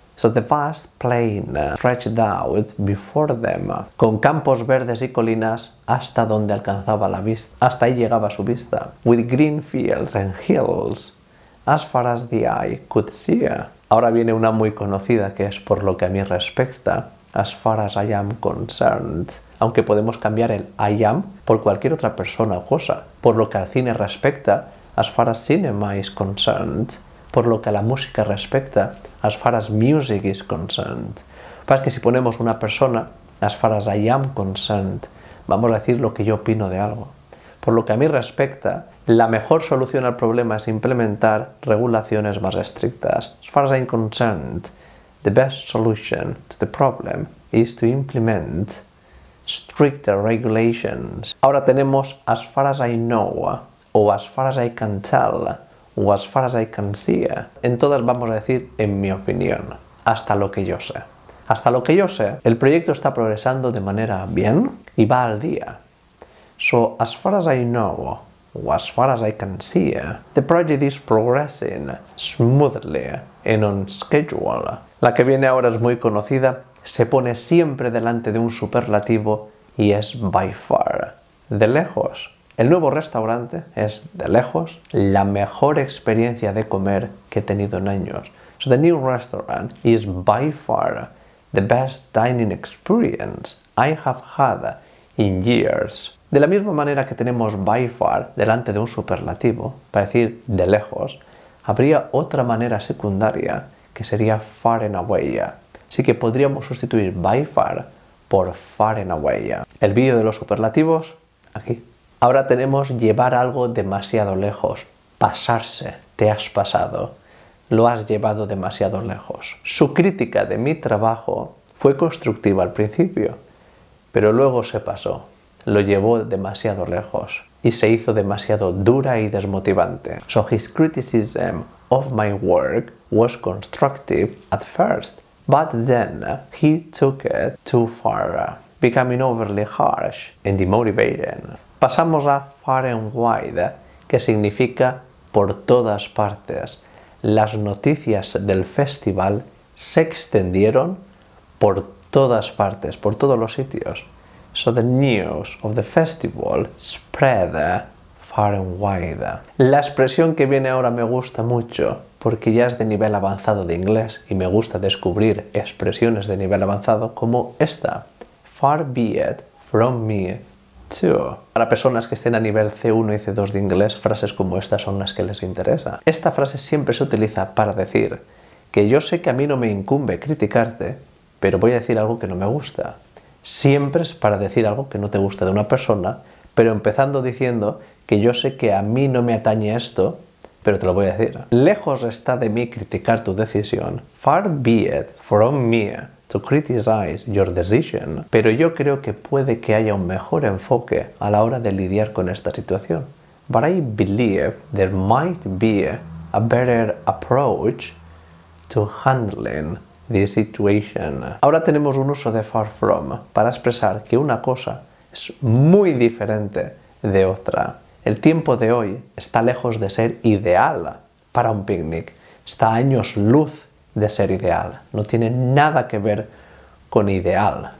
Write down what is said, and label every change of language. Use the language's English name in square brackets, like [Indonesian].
[English] So the vast plain stretched out before them. [Spanish] Con campos verdes y colinas hasta donde alcanzaba la vista. Hasta ahí llegaba su vista. [English] With green fields and hills. As far as the eye could see. [Spanish] Ahora viene una muy conocida, que es por lo que a mí respecta. [English] As far as I am concerned. [Spanish] Aunque podemos cambiar el I am por cualquier otra persona o cosa. Por lo que al cine respecta. [English] As far as cinema is concerned. [Spanish] Por lo que a la música respecta. [English] As far as music is concerned. [Spanish] Pues que si ponemos una persona. [English] As far as I am concerned. [Spanish] Vamos a decir lo que yo opino de algo. Por lo que a mí respecta, la mejor solución al problema es implementar regulaciones más estrictas. [English] As far as I'm concerned, the best solution to the problem is to implement stricter regulations. [Spanish] Ahora tenemos as far as I know, o as far as I can tell, o as far as I can see. En todas vamos a decir, en mi opinión, hasta lo que yo sé. Hasta lo que yo sé, el proyecto está progresando de manera bien y va al día. [English] So, as far as I know, o as far as I can see, the project is progressing smoothly and on schedule. [Spanish] La que viene ahora es muy conocida, se pone siempre delante de un superlativo y es by far, de lejos. El nuevo restaurante es, de lejos, la mejor experiencia de comer que he tenido en años. [English] So, the new restaurant is by far the best dining experience I have had in years. [Spanish] De la misma manera que tenemos by far delante de un superlativo, para decir de lejos, habría otra manera secundaria que sería far and away. Así que podríamos sustituir by far por far and away. El vídeo de los superlativos, aquí. Ahora tenemos llevar algo demasiado lejos. Pasarse. Te has pasado. Lo has llevado demasiado lejos. Su crítica de mi trabajo fue constructiva al principio, pero luego se pasó. Lo llevó demasiado lejos y se hizo demasiado dura y desmotivante. [English] So his criticism of my work was constructive at first, but then he took it too far, becoming overly harsh and demotivating. [Spanish] Pasamos a far and wide, que significa por todas partes. Las noticias del festival se extendieron por todas partes, por todos los sitios. [English] So the news of the festival spread far and wide. [Spanish] La expresión que viene ahora me gusta mucho porque ya es de nivel avanzado de inglés y me gusta descubrir expresiones de nivel avanzado como esta. Far be it from me to. Para personas que estén a nivel C1 y C2 de inglés, frases como esta son las que les interesa. Esta frase siempre se utiliza para decir que yo sé que a mí no me incumbe criticarte, pero voy a decir algo que no me gusta. Siempre es para decir algo que no te gusta de una persona, pero empezando diciendo que yo sé que a mí no me atañe esto, pero te lo voy a decir. Lejos está de mí criticar tu decisión. [English] Far be it from me to criticize your decision. [Spanish] Pero yo creo que puede que haya un mejor enfoque a la hora de lidiar con esta situación. [English] But I believe there might be a better approach to handling the situation. [Spanish] Ahora tenemos un uso de far from para expresar que una cosa es muy diferente de otra. El tiempo de hoy está lejos de ser ideal para un picnic. Está a años luz de ser ideal. No tiene nada que ver con ideal.